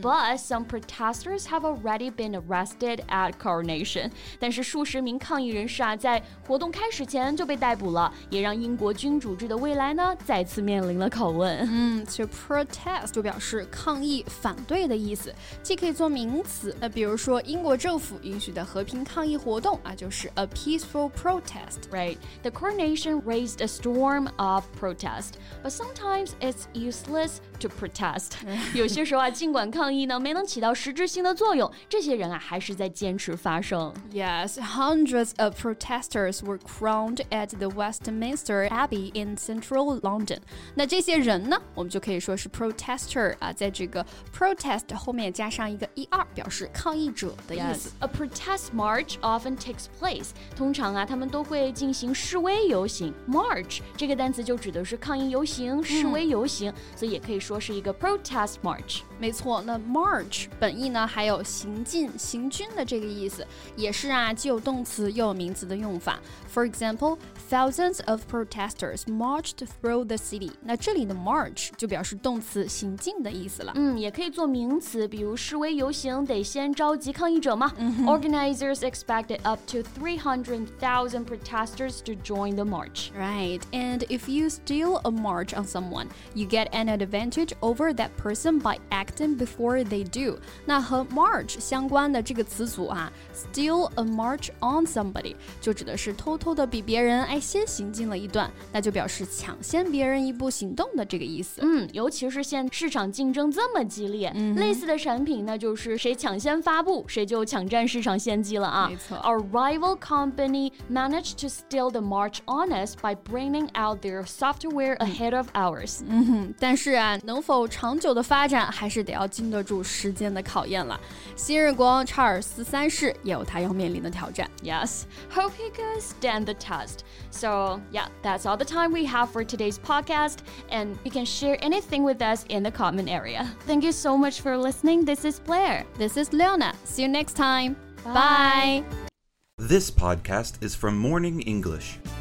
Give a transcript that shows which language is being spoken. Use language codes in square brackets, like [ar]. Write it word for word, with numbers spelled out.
[en] But some protesters have already been arrested at coronation [zh] 但是数十名抗议人士啊在活动开始前就被逮捕了，也让英国君主制的未来呢再次面临了拷问。嗯， To protest 就表示抗议、反对的意思，既可以做名词，那比如说英国政府允许的和平抗议活动啊，就是 [en] a peaceful protest. Right. The coronation raised a storm of protest, but sometimes it's useless to protest. [zh] 有些时候啊，尽管抗议呢没能起到实质性的作用，这些人啊还是在坚持发声。 [en] Yes, hundreds of protesters were crowned at the Westminster Abbey in central London. [zh] 那这些人呢，我们就可以说是 protester 啊，在这个 protest 后面加上一个 er 表示抗议者的意思。 [en] Yes, a protest march often takes place. [zh] 通常啊，他们都会进行示威游行。March 这个单词就指的是抗议游行、示威游行，嗯、所以也可以说是一个 protest march。没错，那 march 本意呢还有行进、行军的这个意思，也是啊，既有动词又有名词的用法。 [en] For example, thousands of protesters marched through the city. [zh] 那这里的 march 就表示动词行进的意思了。嗯，也可以做名词，比如示威游行得先召集抗议者嘛、嗯、 [en] Organizers expected up to three hundred thousand protesters to join the march. Right, and if you steal a march on someone, you get an advantage over that person by acting before they do. [zh] 那和 march 相关的这个词组啊 [en] steal a march on somebody [zh] 就指的是偷偷的比别人哎先行进了一段，那就表示抢先别人一步行动的这个意思。嗯，尤其是现市场竞争这么激烈、嗯、类似的产品呢就是谁抢先发布谁就抢占市场先机了啊。没错。 [en] Our rival company managed to steal the march on us by bringing out their software ahead of ours、 [zh] 嗯哼、但是啊能否长久的发展还是得要经得住时间的考验了。新任国王查尔斯三世也有他要面临的挑战。 [en] Yes, hope he could stand the test. So yeah, that's all the time we have for today's podcast, and you can share anything with us in the comment area. Thank you so much for listening. This is Blair. This is Leona. See you next time. Bye. Bye. This podcast is from Morning English.